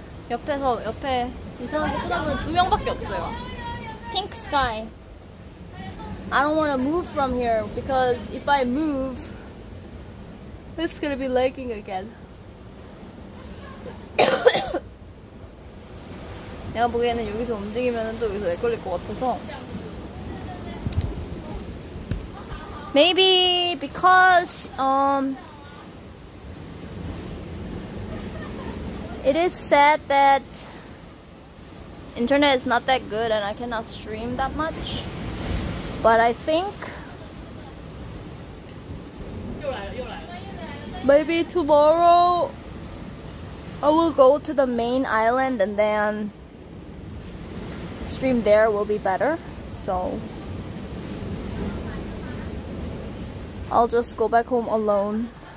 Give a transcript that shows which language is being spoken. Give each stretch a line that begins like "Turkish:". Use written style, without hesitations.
Korean: 옆에서 옆에 이상하게 쳐다보는 두 명밖에 없어요.
English: Pink sky. I don't want to move from here because if I move, it's gonna be lagging again.
Korean: 내가 보기에는 여기서 움직이면 또 여기서 렉 걸릴 것 같아서.
English: Maybe because it is said that internet is not that good and I cannot stream that much. But I think maybe tomorrow I will go to the main island and then stream there will be better, so I'll just go back home alone.